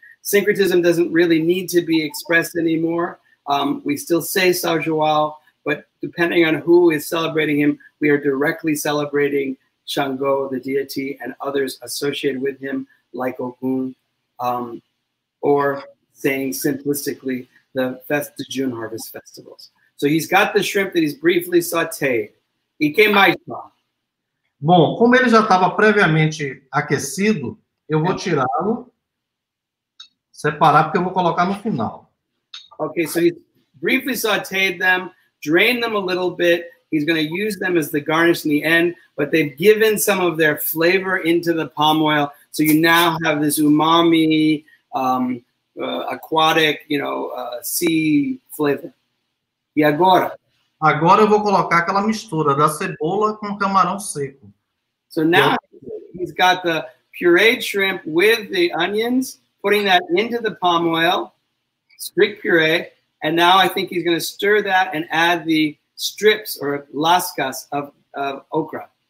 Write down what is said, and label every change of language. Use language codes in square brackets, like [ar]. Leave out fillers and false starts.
[en] Syncretism doesn't really need to be expressed anymore. We still say São João, but depending on who is celebrating him, we are directly celebrating Xangô, the deity, and others associated with him, like Ogun, or saying simplistically, the June harvest festivals. So he's got the shrimp that he's briefly sauteed. [pt] E que mais, Val? Bom, como ele já estava previamente aquecido, eu vou tirá-lo, separar, porque eu vou colocar no final. [en] Ok, so he briefly sauteed them, drained them a little bit. He's going to use them as the garnish in the end, but they've given some of their flavor into the palm oil. So you now have this umami, aquatic, you know, sea flavor. [pt] E agora? Agora eu vou colocar aquela mistura da cebola com camarão seco. [en] So now he's got the pureed shrimp with the onions, putting that into the palm oil, strict puree, and now I think he's going to stir that and add the strips or lascas of okra.